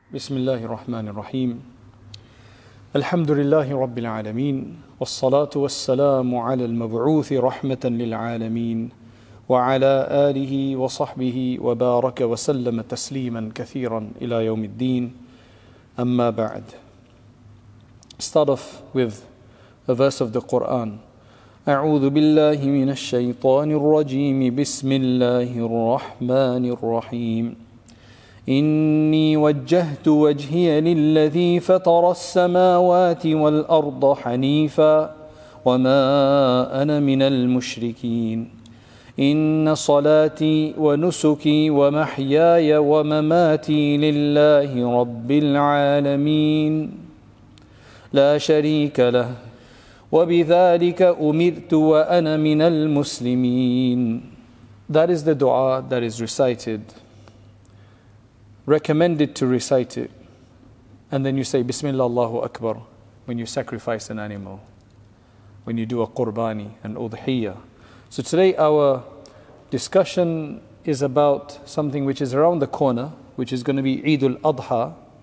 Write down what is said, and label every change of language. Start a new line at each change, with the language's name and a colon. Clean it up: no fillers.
Arabic: بسم الله الرحمن الرحيم الحمد لله رب العالمين والصلاة والسلام على المبعوث رحمة للعالمين وعلى آله وصحبه وبارك وسلم تسليما كثيرا إلى يوم الدين أما بعد.
English: Start off with a verse of the Quran.
Arabic: أعوذ بالله من الشيطان الرجيم بسم الله الرحمن الرحيم إني وجهت وجهي للذي فطر السماوات والأرض حنيفا وما أنا من المشركين إن صلاتي ونسكي ومحياي ومماتي لله رب العالمين لا شريك له وبذلك أمرت وأنا من المسلمين.
English: That is the dua that is recited, recommended to recite it, and then you say Bismillah Allahu Akbar when you sacrifice an animal, when you do a qurbani, an udhiyya. So today our discussion is about something which is around the corner, which is going to be Eid al-Adha.